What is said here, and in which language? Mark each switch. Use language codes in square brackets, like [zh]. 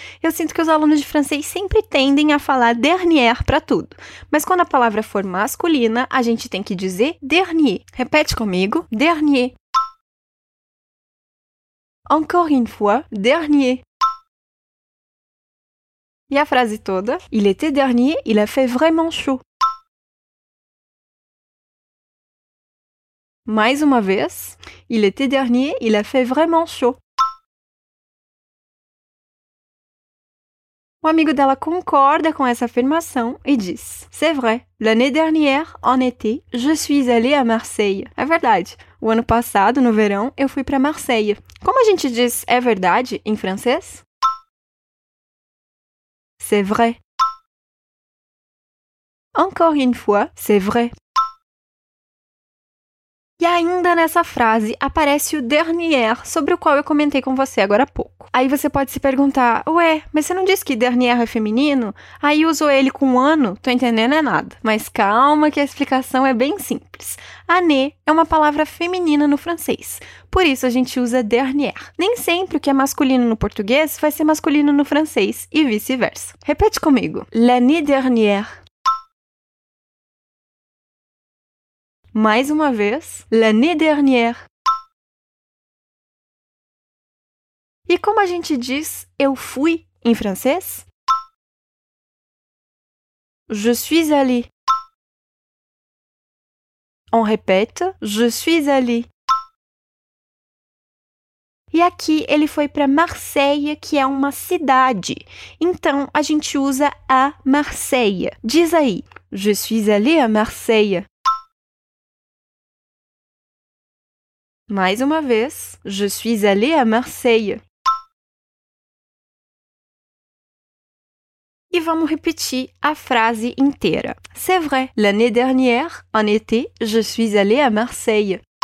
[pt] Eu sinto que os alunos de francês sempre tendem a falar dernière para tudo. Mas quando a palavra for masculina, a gente tem que dizer dernier. Repete comigo. Dernier. [fr] Encore une fois, dernier. [pt] E a frase toda? [fr] Il était dernier, il a fait vraiment chaud. [pt] Mais uma vez, [fr] l'été dernier, il a fait vraiment chaud. [pt] O amigo dela concorda com essa afirmação e diz: [fr] C'est vrai, l'année dernière, en été, je suis allée à Marseille. [pt] É verdade, o ano passado, no verão, eu fui para Marseille. Como a gente diz é verdade em francês? [fr] C'est vrai. Encore une fois, c'est vrai. [pt] E ainda nessa frase aparece o dernier, sobre o qual eu comentei com você agora há pouco. Aí você pode se perguntar, ué, mas você não disse que dernier é feminino? Aí usou ele com ano? Tô entendendo é nada. Mas calma que a explicação é bem simples. Année é uma palavra feminina no francês, por isso a gente usa dernier. Nem sempre o que é masculino no português vai ser masculino no francês e vice-versa. Repete comigo. [fr] L'année dernière. [pt] Mais uma vez, [fr] l'année dernière. [pt] E como a gente diz eu fui em francês? [fr] Je suis allé. On répète, je suis allé. [pt] E aqui ele foi para Marseille, que é uma cidade. Então a gente usa a Marseille. Diz aí, [fr] je suis allé à Marseille. [pt] Mais uma vez, [fr] je suis allée à Marseille. [pt] E vamos repetir a frase inteira. [fr] C'est vrai, l'année dernière, en été, je suis allée à Marseille.